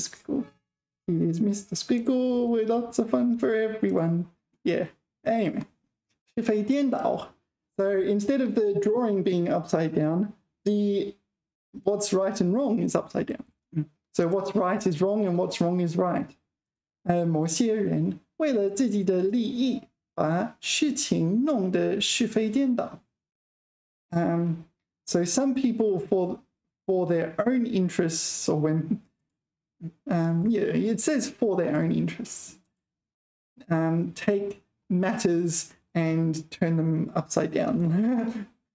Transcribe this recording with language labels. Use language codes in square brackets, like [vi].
[en] Squiggle. He is Mr. Squiggle with lots of fun for everyone. Yeah. Anyway. [zh] 是非颠倒. [en] So instead of the drawing being upside down, the what's right and wrong is upside down. So what's right is wrong and what's wrong is right. [zh] 某些人为了自己的利益把事情弄得是非颠倒。 [en] So some people, for their own interests, or when, it says for their own interests, take matters and turn them upside down.